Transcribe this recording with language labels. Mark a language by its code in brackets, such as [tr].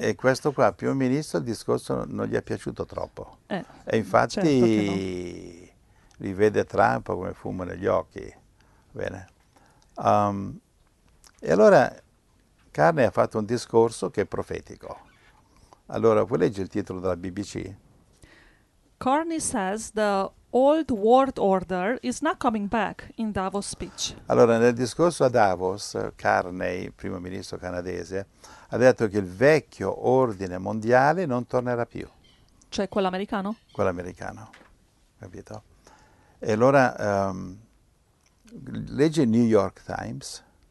[it] E questo qua, più un ministro, il discorso non gli è piaciuto troppo. E infatti certo, rivede Trump come fumo negli occhi. Bene. E allora Carney ha fatto un discorso che è profetico. Allora, vuoi leggere il titolo della BBC? [en] Carney says the old world order is not coming back in Davos speech. [it] Allora, nel discorso a Davos, Carney, primo ministro canadese, ha detto che il vecchio ordine mondiale non tornerà più. Cioè quello americano? Quello americano, capito? E allora, legge New York Times.